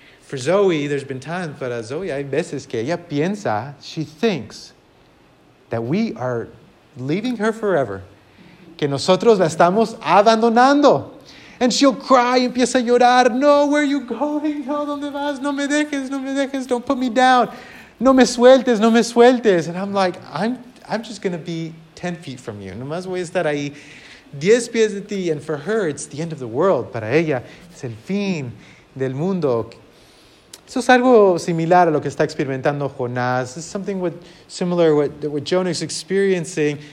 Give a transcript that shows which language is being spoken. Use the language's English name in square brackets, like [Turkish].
[English] For Zoe, there's been times, [Spanish] para Zoe, hay veces que ella piensa, [English] she thinks that we are leaving her forever. [Spanish] Que nosotros la estamos abandonando. [English] And she'll cry, [Spanish] empieza a llorar. [English] No, where are you going? [Spanish] No, ¿dónde vas? No me dejes, no me dejes. [English] Don't put me down. [Spanish] No me sueltes, no me sueltes. [English] And I'm like, I'm just going to be 10 feet from you. [Spanish] Nomás voy a estar ahí 10 pies de ti. [English] And for her, it's the end of the world. [Spanish] Para ella, es el fin del mundo. Eso es algo similar a lo que está experimentando Jonás. [English] It's something similar to what Jonah is experiencing.